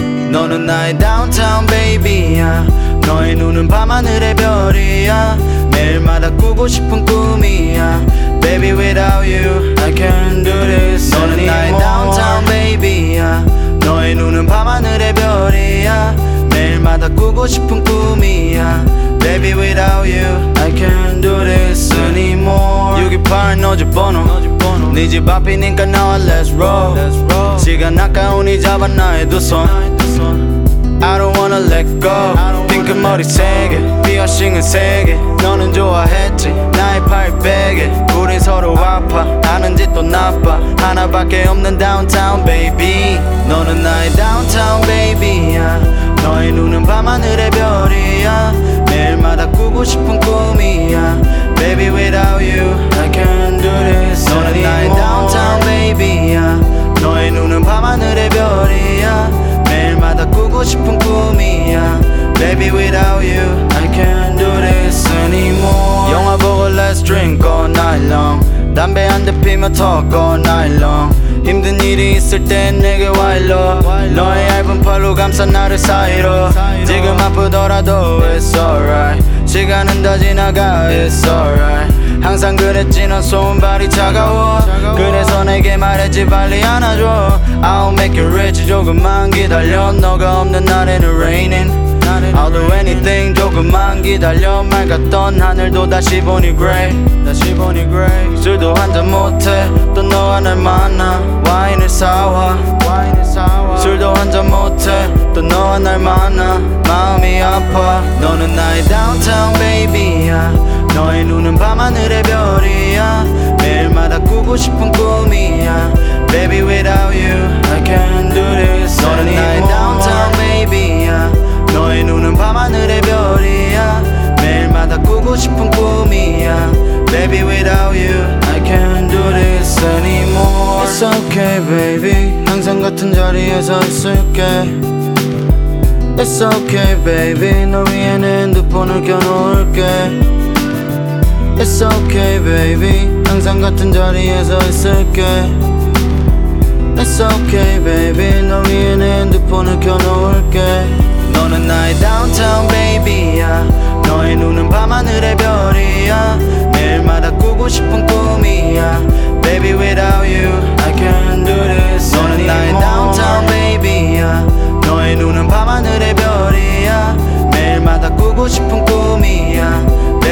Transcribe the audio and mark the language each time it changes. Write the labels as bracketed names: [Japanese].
[Korean] 너는 나의 [English] downtown baby [Korean] 야. 너의 눈은 밤하늘의 별이야. 매일마다 꾸고 싶은 꿈이야. [English] Baby without you I can't do this. [Korean] 너는 나의 [English] downtown baby [Korean] 야. 너의 눈은 밤하늘의 별이야. 매일마다 꾸고 싶은 꿈이야. [English] Baby without you I can't do this anymore. [Korean] 628 너집번호 네 집 앞이니까 나와 [English] let's roll. [Korean] 시간 아까우니 잡아 나의 두 손. [English] I don't wanna let go. [Korean] 핑크 머리 세개 피어싱은 세개 너는 좋아했지 나의 팔 베개. 우린 서로 아파 아는 짓도 나빠. 하나밖에 없는 [English] downtown baby. [Korean] 너는 나의 [English] downtown baby [Korean] 야. 너의 눈은 밤하늘의 별이야. 매일마다 꾸고 싶은 꿈이야. [English] Baby without you I can't do this. [Korean] 너는 나의 [English] downtown baby [Korean] 야. 너의 눈은 밤하늘의 별이야. 매일마다 꾸고 싶은 꿈이야. [English] Baby without you I can't do this anymore. [Korean] 영화 보고 [English] let's drink all night long. [Korean] 담배 한 대 피며 [English] talk all night long. [Korean] 힘든 일이 있을 땐 내게 와일러. 너의 얇은 팔로 감싸 나를 사이로. 지금 아프더라도 [English] it's alright. [Korean] 시간은 다 지나가 [English] it's alright. [Korean] 항상 그랬지 넌 손발이 차가워. 그래서 내게 말했지 빨리 안아줘. [English] I'll make you rich [Korean] 조금만 기다려. 너가 없는 날에는 raining. [English] I'll do anything [Korean] 조금만 기다려. 맑았던 하늘도 다시 보니 grey. 다시 보니 grey. 술도 한잔 못해 또 너가 날 만나. 와인을 사와 와인을 사와. 술도 한잔 못해 또 너가 날 만나. 마음이 아파. 너는 나의 [English] downtown baby [Korean] 야. 너의 눈은 밤하늘의 별이야. 매일마다 꾸고 싶은 꿈이야. [English] Baby without you I can't do this. [Korean] 너는 나의 [English] downtown baby [Korean] 야. 너의 눈은 밤하늘의 별이야. 매일마다 꾸고 싶은 꿈이야. [English] Baby without you I can't do this anymore. It's okay baby [Korean] 항상 같은 자리에서 있을게. [English] It's okay baby [Korean] 너 위에는 핸드폰을 껴놓을게. [English] It's okay baby [Korean] 항상 같은 자리에서 있을게. [English] It's okay baby [Korean] 너 위에는 핸드폰을 껴놓을게. 너는 나의 [English] downtown baby [Korean] 야. 너의 눈은 밤하늘의 별이야. 매일마다 꾸고 싶은 꿈이야. [English] Baby without you I can't do this. [Korean] 너는 나의 [English] downtown baby [Korean] 야. 너의 눈은 밤하늘의 별이야. 매일마다 꾸고 싶은 꿈이야.